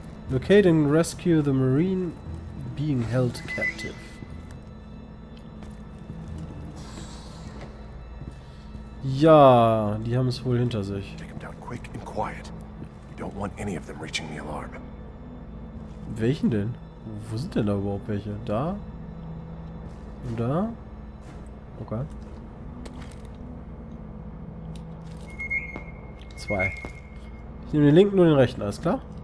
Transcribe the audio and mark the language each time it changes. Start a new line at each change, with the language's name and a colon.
English: Locate and rescue the Marine being held captive.
German: Ja, die haben es wohl hinter sich.
English: Take him down quick and quiet. You don't want any of them reaching the alarm.
German: Welchen denn? Wo sind denn da überhaupt welche? Da? Und da? Okay. Zwei. Ich nehme den linken und den rechten, alles klar?